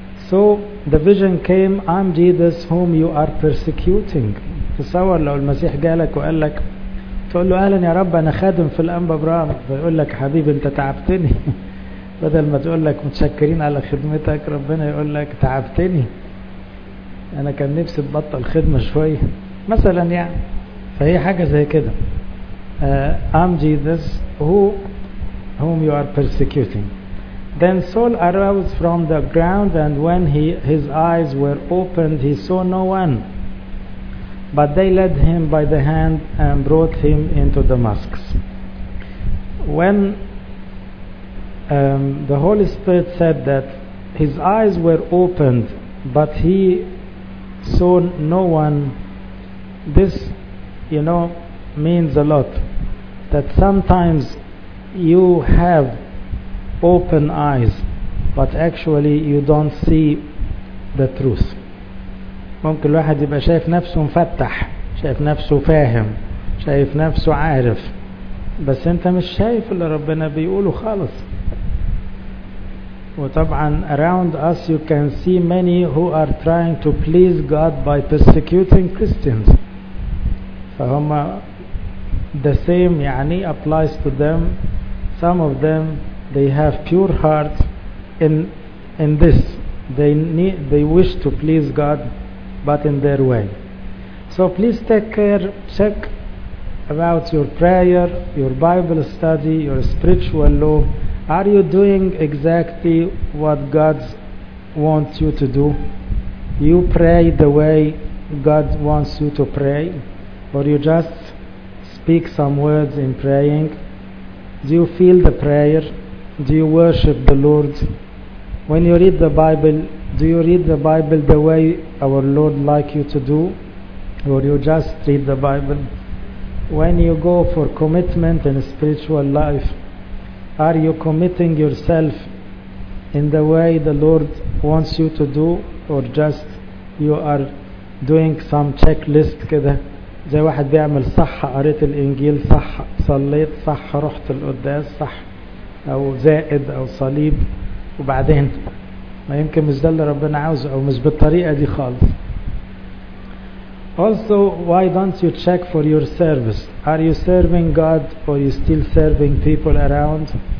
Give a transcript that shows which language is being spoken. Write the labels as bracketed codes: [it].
[en] So the vision came, I'm Jesus whom you are persecuting. [ar] تصور لو المسيح جالك وقال لك، تقول له اهلا يا رب انا خادم في الانبا ابراهام، فيقول لك حبيبي انت تعبتني. بدل ما تقول لك متشكرين على خدمتك، ربنا يقول لك تعبتني، انا كان نفسي تبطل خدمة شوية مثلا. يعني فهي حاجة زي كده. [en] I'm Jesus whom you are persecuting. Then Saul arose from the ground, and when his eyes were opened, he saw no one. But they led him by the hand and brought him into Damascus. When the Holy Spirit said that his eyes were opened but he saw no one, this, you know, means a lot. That sometimes you have open eyes but actually you don't see the truth. [ar] ممكن الواحد يبقى شايف نفسه مفتح، شايف نفسه فاهم، شايف نفسه عارف، بس انت مش شايف اللي ربنا بيقوله خالص. وطبعا [en] around us you can see many who are trying to please God by persecuting Christians. [ar] فهما [en] the same [ar] يعني [en] applies to them. Some of them they have pure heart in this. They wish to please God but in their way. So please take care, check about your prayer, your Bible study, your spiritual law. Are you doing exactly what God wants you to do? You pray the way God wants you to pray? Or you just speak some words in praying? Do you feel the prayer? Do you worship the Lord? When you read the Bible, do you read the Bible the way our Lord like you to do? Or you just read the Bible? When you go for commitment in spiritual life, are you committing yourself in the way the Lord wants you to do, or just you are doing some checklist [ar] كده زي واحد بيعمل صح قريت الإنجيل، صح صليت، صح رحت القداس، صح أو زائد أو صليب وبعدين؟ ما يمكن مش ده اللي ربنا عاوزه، أو مش بالطريقة دي خالص. [en] Also, why don't you check for your service? Are you serving God or are you still serving people around?